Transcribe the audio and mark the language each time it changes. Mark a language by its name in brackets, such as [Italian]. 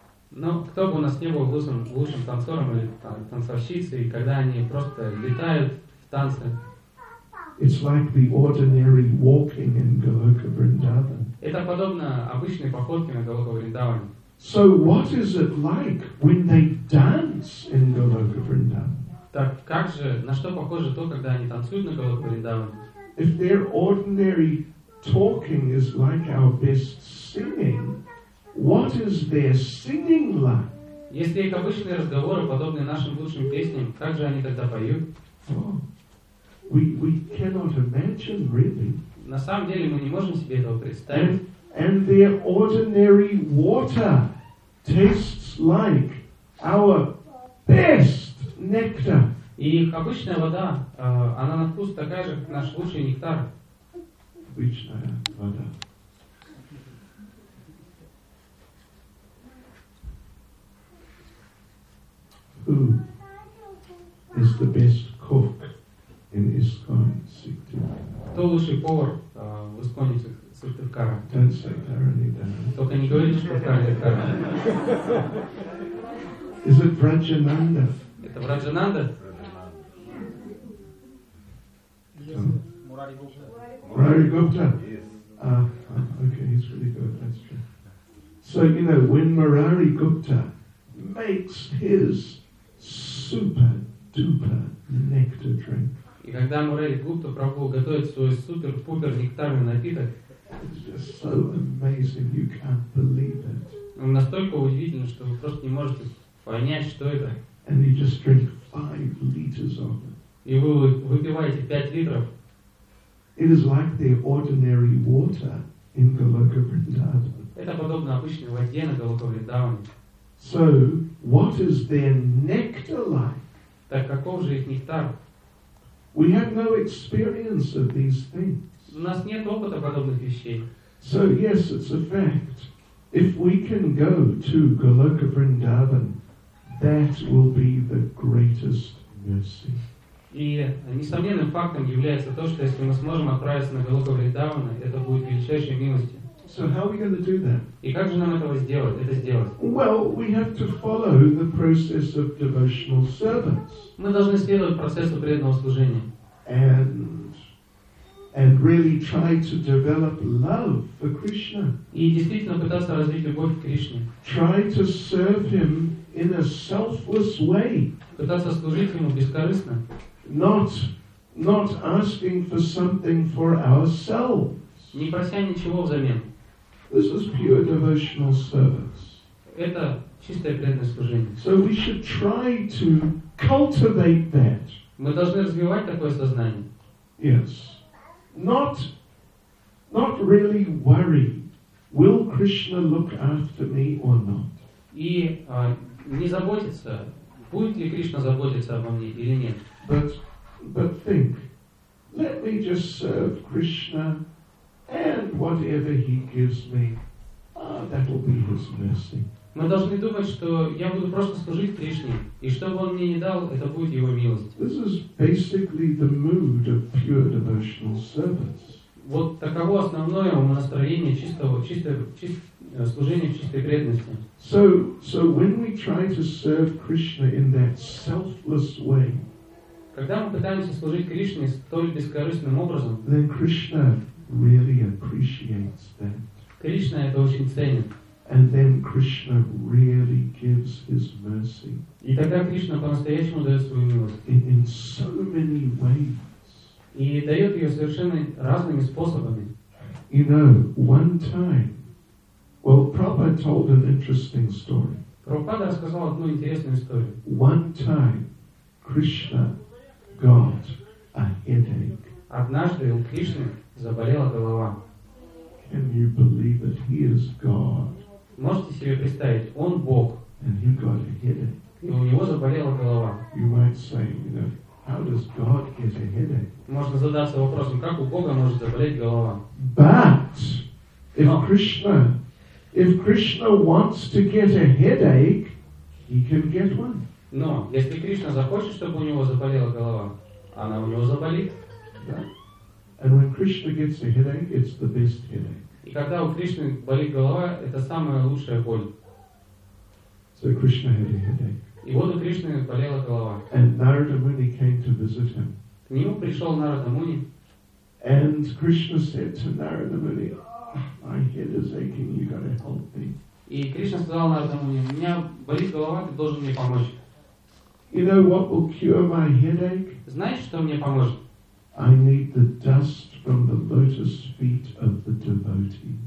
[Russian] Но кто бы у нас не был лучшим танцором или танцовщицей, когда они просто летают в танце. [English] It's like the ordinary walking in Goloka Vrindavan. [Russian] Это подобно обычной походке на Голока Вриндаване. [English] So what is it like when they dance in Goloka Vrindavan? [Russian] Так как же, на что похоже то, когда они танцуют на Голока Вриндаване? [English] If their ordinary talking is like our best singing, what is their singing like? [Russian] Если их обычные разговоры подобны нашим лучшим песням, как же они тогда поют? [English] Oh, we cannot imagine really. [Russian] На самом деле мы не можем себе этого представить. [English] And their ordinary water tastes like our best nectar. [Russian] И их обычная вода, она на вкус такая же, как наш лучший нектар. Обычная вода. [English] Who is the best cook in ISKCON Syktyvkar? [Russian] Кто лучший повар в ИСККОНе Сыктывкара? [English] Don't say Dharanidhara. [Russian] Только не говорите, что Дхаранидхара. [English] Is it Vrajananda? [Russian] Это Vrajananda? [English] Murari Gupta. Murari Gupta? Murari Gupta? Yes. Okay, he's really good, that's true. So, you know, when Murari Gupta makes his super duper nectar drink. [Russian] И когда Мурари Гупта Прабху готовит свой супер пупер нектарный напиток, [English] it's just so amazing, you can't believe it. [Russian] Он настолько удивительный, что вы просто не можете понять, что это. [English] And you just drink 5 liters of it. [Russian] И вы выпиваете 5 литров. [English] It is like the ordinary water in Goloka Vrindavan. [Russian] Это подобно обычной воде на Голока Вриндаване. [English] So, what is their nectar like? [Russian] Так каков же их нектар? [English] We have no experience of these things. [Russian] У нас нет опыта подобных вещей. [English] So, yes, it's a fact. If we can go to Goloka Vrindavan, that will be the greatest mercy. [Russian] И несомненным фактом является то, что если мы сможем отправиться на Голоку Вриндавана, это будет величайшей милостью. [English] So how are we going to do that? [Russian] И как же нам этого сделать? Это сделать? [English] Well, we have to follow the process of devotional service. [Russian] Мы должны следовать процессу преданного служения. [English] And really try to develop love for Krishna. [Russian] И действительно пытаться развить любовь к Кришне. [English] Try to serve him in a selfless way. [Russian] Пытаться служить ему бескорыстно. [English] Not asking for something for ourselves. [Russian] Не прося ничего взамен. [English] This is pure devotional service. [Russian] Это чистое преданное служение. [English] So we should try to cultivate that. [Russian] Мы должны развивать такое сознание. [English] Yes. Not really worry. Will Krishna look after me or not? [Russian] И не заботиться, будет ли Кришна заботиться обо мне или нет. [English] But think. Let me just serve Krishna. And whatever he gives me, that will be his mercy. [Russian] Мы должны думать, что я буду просто служить Кришне, и что бы он мне ни дал, это будет его милость. [English] This is basically the mood of pure devotional service. [Russian] Вот таково основное настроение чистого служения в чистой преданности. [English] So when we try to serve Krishna in that selfless way, [Russian] когда мы пытаемся служить Кришне столь бескорыстным образом, [English] then Krishna really appreciates that. [Russian] Кришна это очень ценит. [English] And then Krishna really gives his mercy. [Russian] И тогда Кришна по-настоящему дает свою милость. [English] In so many ways. [Russian] И дает ее совершенно разными способами. [English] You know, one time, well, Prabhupada told an interesting story. [Russian] Прабхупада рассказал одну интересную историю. [English] One time, Krishna got a headache. [Russian] Однажды у Кришны заболела голова. [English] Can you believe that he is God? [Russian] Можете себе представить, он Бог. [English] And you got a headache. [Russian] И у него заболела голова. [English] You might say, you know, how does God get a headache? [Russian] Можно задаться вопросом, как у Бога может заболеть голова? [English] But if Krishna wants to get a headache, he can get one. [Russian] Но если Кришна захочет, чтобы у него заболела голова, она у него заболит. Да? [English] And when Krishna gets a headache, it's the best headache. [Russian] И когда у Кришны болит голова, это самая лучшая боль. [English] So Krishna had a headache. [Russian] И вот у Кришны болела голова. [English] And Narada Muni came to visit him. [Russian] К нему пришел Нарада Муни. [English] And Krishna said to Narada Muni, oh, my head is aching, you gotta help me. [Russian] И Кришна сказал Нарада Муни, у меня болит голова, ты должен мне помочь. [English] You know what will cure my headache? [Russian] Знаешь, что мне поможет? [English] I need the dust from the lotus feet of the devotees.